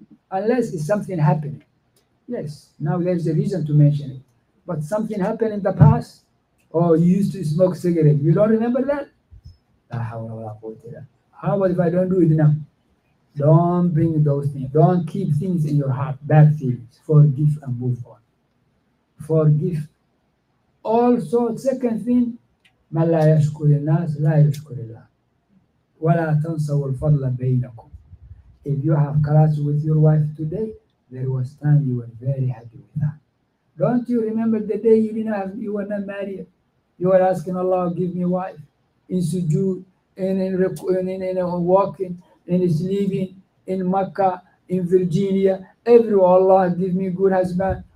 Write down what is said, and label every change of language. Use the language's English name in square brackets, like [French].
[English] Unless it's something happening. Yes, now there's a reason to mention it. But something happened in the past. Oh, you used to smoke cigarette. You don't remember that? How about if I don't do it now? Don't bring those things. Don't keep things in your heart, bad things. Forgive and move on. Forgive. Also, second thing, [Arabic] مَنْ لَا يَشْكُرِ النَّاسِ لَا يَشْكُرِ اللَّهِ وَلَا تَنْسَوُ الْفَضْلَ بَيْنَكُمْ. [English] If you have class with your wife today, there was time you were very happy with that. Don't you remember the day you didn't have, you were not married? You were asking Allah, give me wife. In sujood, in walking, in sleeping, in Makkah, in Virginia, everywhere, Allah, give me good husband.